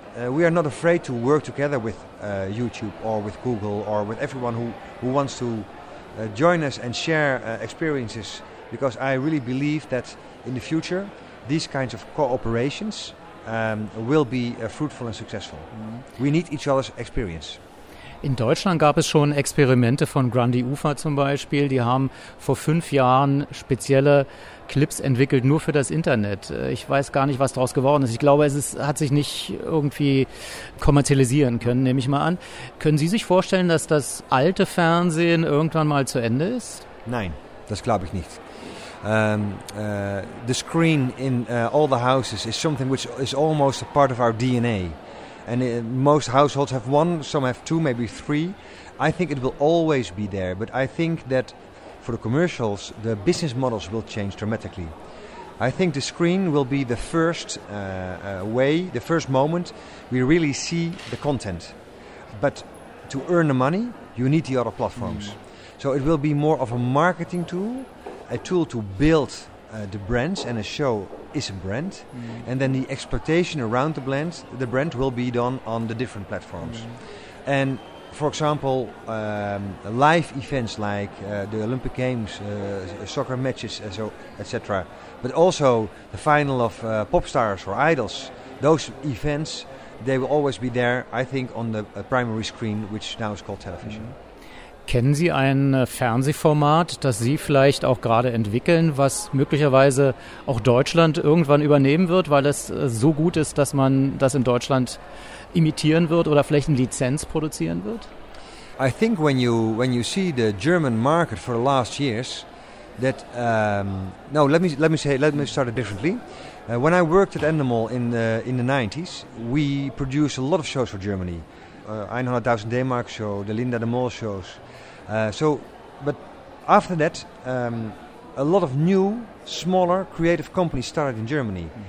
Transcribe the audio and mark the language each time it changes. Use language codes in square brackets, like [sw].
[en] We are not afraid to work together with YouTube or with Google or with everyone who wants to join us and share experiences, because I really believe that in the future these kinds of cooperations will be fruitful and successful. We need each other's experience. [de] In Deutschland gab es schon Experimente von Grandi Ufa zum Beispiel. Die haben vor 5 Jahren spezielle Clips entwickelt, nur für das Internet. Ich weiß gar nicht, was daraus geworden ist. Ich glaube, hat sich nicht irgendwie kommerzialisieren können, nehme ich mal an. Können Sie sich vorstellen, dass das alte Fernsehen irgendwann mal zu Ende ist? Nein, das glaube ich nicht. [en] The screen in all the houses is something which is almost a part of our DNA. And most households have one, some have two, maybe three. I think it will always be there. But I think that for the commercials, the business models will change dramatically. I think the screen will be the first way, the first moment we really see the content. But to earn the money, you need the other platforms. So it will be more of a marketing tool, a tool to build the brands, and a show is a brand, and then the exploitation around the brand will be done on the different platforms. And for example, live events like the Olympic Games, soccer matches, so etc., but also the final of pop stars or idols, those events, they will always be there, I think, on the primary screen, which now is called television. Mm-hmm. [de] Kennen Sie ein Fernsehformat, das Sie vielleicht auch gerade entwickeln, was möglicherweise auch Deutschland irgendwann übernehmen wird, weil es so gut ist, dass man das in Deutschland imitieren wird oder vielleicht eine Lizenz produzieren wird? [en] I think when you see the German market for the last years, that let me start it differently. When I worked at Endemol in the 90s, we produced a lot of shows for Germany. 100.000 D-Mark show, the Linda de Mol shows. But after that, a lot of new, smaller, creative companies started in Germany.